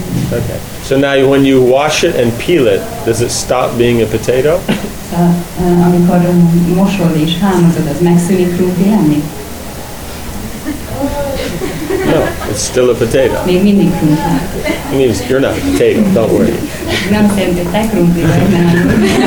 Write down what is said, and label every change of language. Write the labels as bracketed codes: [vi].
[en] Okay, so now when you wash it and peel it, does it stop being a potato? [hu] Amikor mosod és hámozod, az megszűnik krumpli lenni? [en] No, it's still a potato. [hu] Még mindig krumpli. [en] It means you're not a potato, don't worry. [hu] Nem szerintem, hogy te krumpli vagy, nem.